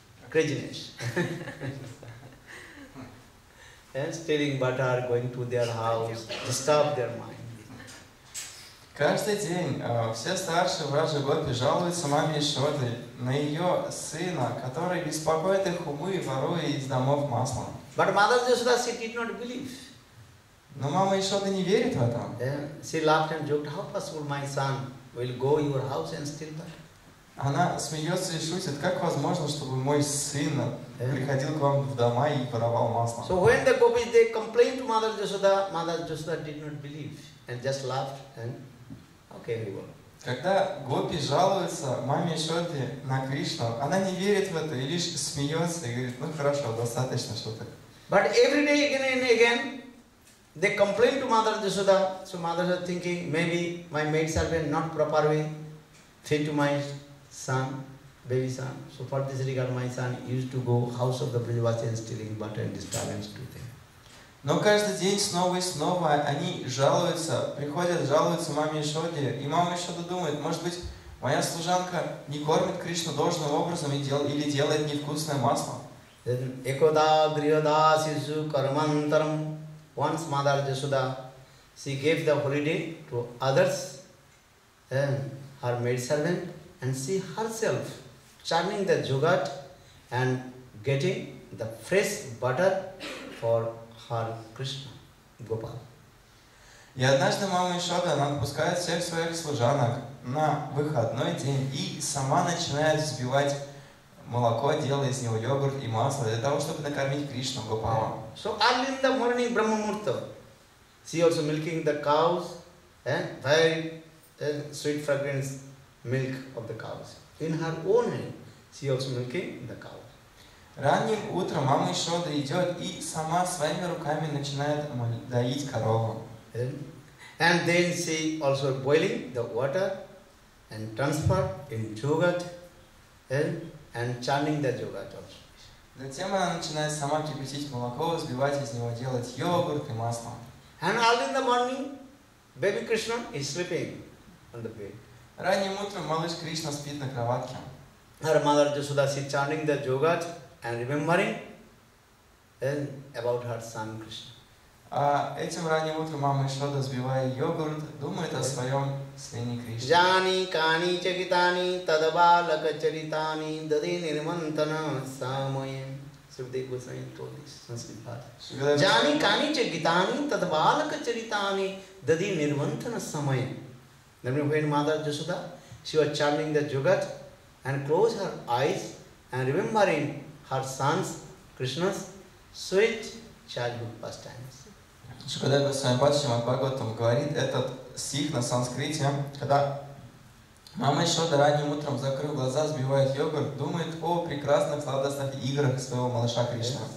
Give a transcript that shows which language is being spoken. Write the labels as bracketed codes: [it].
[en] craziness. And stealing butter, going to their house, disturb their mind. [ru] Каждый день все старшие вражи Гопи жалуются маме Яшоде на ее сына, который беспокоит их умы и ворует из домов масло. [en] But Mother Yashoda she did not believe. [ru] Но мама Яшода не верит в это. [en] She laughed and joked, how possible my son will go your house and steal butter. [ru] Она смеется и шутит, как возможно, чтобы мой сын приходил к вам в дома и воровал масло. [en] So when the gopis they complained to Mother Yashoda did not believe and just laughed and okay, we go. [ru] Когда гопи жалуются маме Яшоде на Кришну, она не верит в это и лишь смеется и говорит, ну хорошо, достаточно шуток. [en] But every day again and again they complain to Mother Yashoda, so Mother Yashoda thinking maybe my maids are not properly fit to my son, baby son. So for this regard, my son used to go house of the Brajavasi and stealing butter and disturbance to them. [ru] Но каждый день снова и снова они жалуются, приходят, жалуются маме Яшоде, и мама Яшода думает, может быть, моя служанка не кормит Кришну должным образом или делает невкусное масло. [sa] Ekoda griyoda sisu karmantaram. [en] Once Mother Yashoda, she gave the holiday to others, her maid servant, and she herself churning the yogurt and getting the fresh butter for her Krishna, Gopal. [ru] И однажды мама Яшода, она отпускает всех своих служанок на выходной день и сама начинает взбивать молоко, делая из него йогурт и масло для того, чтобы накормить Кришну, Гопала. [en] So early in the morning, Brahma Murta, she also milking the cows, very sweet fragrance milk of the cows. In her own hand, she also milking the cow. [ru] Ранним утром мама Яшода идет и сама своими руками начинает доить корову. [en] And then she also boiling the water and transfer in yogurt, and churning the yogurt also. [ru] Затем она начинает сама кипятить молоко, взбивать из него, делать йогурт и масло. [en] And early in the morning, baby Krishna is sleeping on the bed. [ru] Ранним утром малыш Кришна спит на кроватке. [en] Her mother Yashoda is chanting the yogurt and remembering about her son Krishna. [ru] А этим ранним утром мама Яшода, взбивая йогурт, думает о своем сыне Кришне. [sa] Джани кани чакитани тадабалака чаритани дади нирмантана самоем. [en] Шукадев Госвами told this Sanskrit part. [sa] Джани кани чакитани тадабалака чаритани дади нирмантана самоем. [en] That means when Mother Yashoda, she was churning the yogurt and closed her eyes and remembering her son's Krishna's sweet childhood pastimes. [ru] Когда Господь Шримад Бхагаватам говорит этот стих на санскрите, когда Мама еще до ранним утром, закрыв глаза, сбивает йогурт, думает о прекрасных сладостных играх своего малыша Кришна.